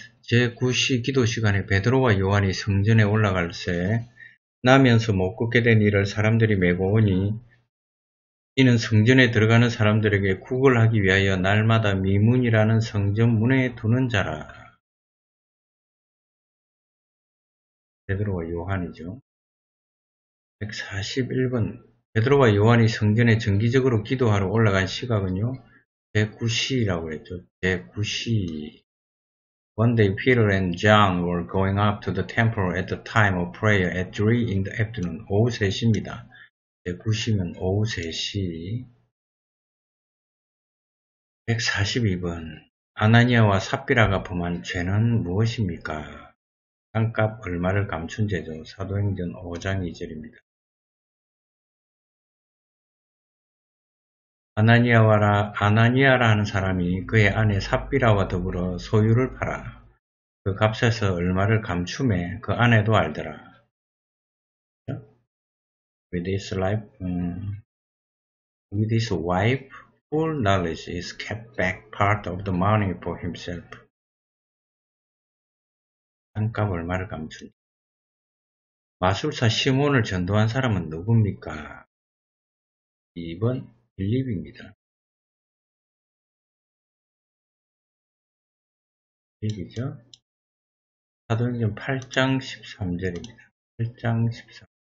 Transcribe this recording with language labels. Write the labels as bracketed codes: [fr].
[ko] 제9시 기도 시간에 베드로와 요한이 성전에 올라갈 새 나면서 못 걷게 된 이를 사람들이 메고 오니 이는 성전에 들어가는 사람들에게 구걸하기 위하여 날마다 미문이라는 성전 문에 두는 자라. 베드로와 요한이죠. 141번 베드로와 요한이 성전에 정기적으로 기도하러 올라간 시각은요. 제9시라고 했죠. 제9시. [en] One day Peter and John were going up to the temple at the time of prayer at 3 in the afternoon. [ko] 오후 3시입니다. 9시면 오후 3시. 142번. 아나니아와 삽비라가 범한 죄는 무엇입니까? 땅값 얼마를 감춘 죄죠. 사도행전 5장 2절입니다. 아나니아라는 사람이 그의 아내 삽비라와 더불어 소유를 팔아 그 값에서 얼마를 감추매 그 아내도 알더라. [en] With his wife, full knowledge is kept back part of the money for himself. [ko] 땅값 얼마를 감춘다. 마술사 시몬을 전도한 사람은 누굽니까? 2번 빌립입니다. 빌립이죠? 사도행전 8장 13절입니다. 8장 13절.